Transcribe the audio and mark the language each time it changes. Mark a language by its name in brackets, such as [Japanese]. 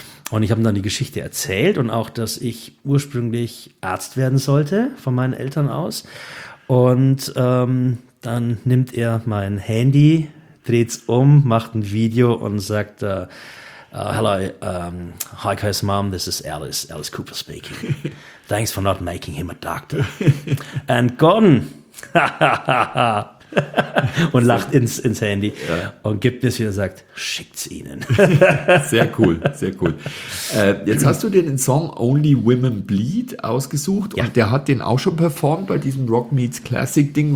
[German] Und ich habe dann die Geschichte erzählt und auch, dass ich ursprünglich Arzt werden sollte von meinen Eltern aus. Und dann nimmt er mein Handy, dreht's um, macht ein Video und sagt, [English] hello, hi Kai's mom, this is Alice Cooper speaking. Thanks for not making him a doctor. And gone. [German] Und lacht ins Handy und gibt mir es wieder und sagt, schickt's ihnen. Sehr cool, sehr cool. Jetzt hast du dir den Song Only Women Bleed ausgesucht und der hat den auch schon performt bei diesem Rock Meets Classic Ding.